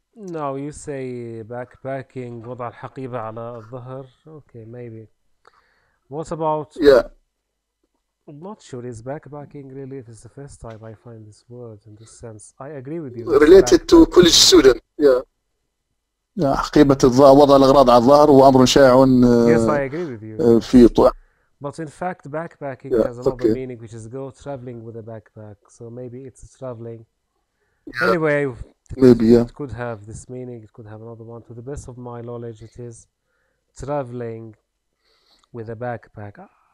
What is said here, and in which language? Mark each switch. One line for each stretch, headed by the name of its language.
English: Now you say backpacking,
Arabic: وضع الحقيبة على الظهر.
English: Okay, maybe. What about? Yeah. I'm not sure. Is backpacking really? This is the first time I find this word in this sense. I agree with you. Related to college student. Yeah.
Arabic: حقيبة الظهر وضع الأغراض على الظهر وأمر شائع.
English: Yes, I agree with you.
Arabic: في
English: But in fact, backpacking has another okay. meaning, which is go traveling with a backpack. So maybe it's traveling. Yeah. Anyway. Maybe, yeah. It could have this meaning, it could have another one. To the best of my knowledge, it is traveling with a backpack.